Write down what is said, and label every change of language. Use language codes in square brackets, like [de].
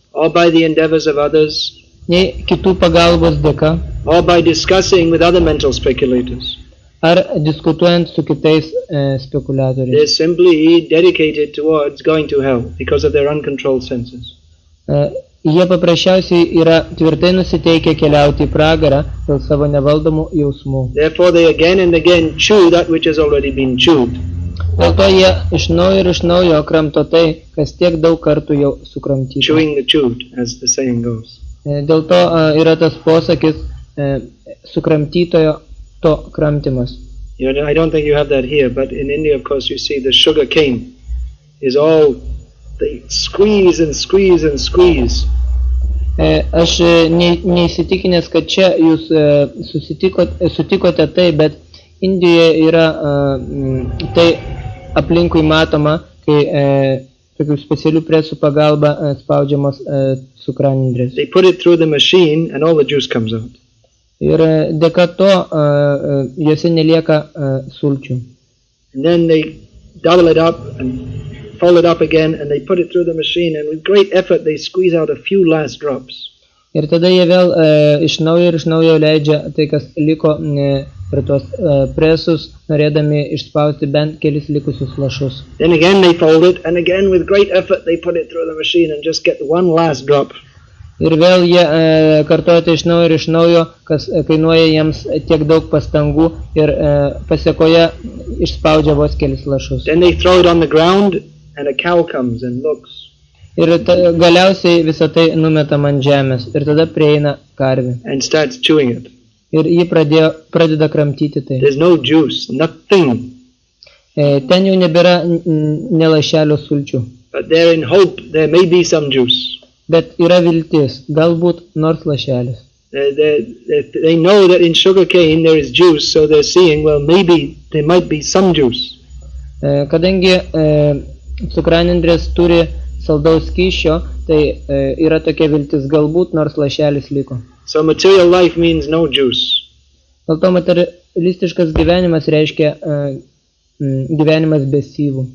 [en] or by the endeavors of others, [lt] ne kitų pagalbos dėka, [en] or by discussing with other mental speculators, [lt] ar diskutuojant su kitais spekuliatoriais. [en] They're simply dedicated towards going to hell because of their uncontrolled senses. [lt] Jie paprasčiausiai yra tvirtai nusiteikę keliauti į pragarą dėl savo nevaldomų jausmų. [en] Therefore they again and again chew that which has already been chewed. [lt] Dėl to jie iš naujo kramto tai, kas tiek daug kartų jau sukramtyta. [en] Chewing the chewed, as the saying goes. [lt] Dėl to yra tas posakis sukramtytojo to kramtimas. [en] You know, I don't think you have that here, but in India of course you see the sugar cane is all... They squeeze and squeeze and squeeze. [lt] Aš neįsitikinęs, kad čia jūs sutikote tai, bet Indijoje yra tai aplinkui matoma, kai tokių specialių presų pagalba spaudžiamos cukranendrės. [en] They put it through the machine and all the juice comes out. [lt] Ir dėka to jose nelieka sulčių. [en] And then they double it up and fold it up again and they put it through the machine and with great effort they squeeze out a few last drops. [lt] Ir tada jie vėl iš naujo leidžia tai, kas liko prie tos presus, norėdami išspausti bent kelis likusius lašus. [en] Then again they fold it and again with great effort they put it through the machine and just get one last drop. [lt] Ir vėl jie kartuoja tai iš naujo, kas kainuoja jiems tiek daug pastangų ir pasiekoje išspaudžia vos kelis lašus. [en] Then they throw it on the ground and a cow comes and looks. [lt] Ir galiausiai visa tai numeta man žemės ir tada prieina karvė. [en] And starts chewing it. [lt] Ir ji pradeda kramtyti tai. [en] There's no juice, nothing. [lt] Ten jau nebėra nelašelio sulčių. [en] But there in hope there may be some juice. [lt] Bet yra viltis, galbūt nors lašelis. [en] They know that in sugar cane there is juice, so they're seeing, well, maybe there might be some juice. [lt] Kadangi cukranendrės turi saldaus skysčio, tai yra tokia viltis, galbūt nors lašelis liko. [en] So material life means no juice. [lt] Dėl to materialistiškas gyvenimas reiškia gyvenimas be syvų.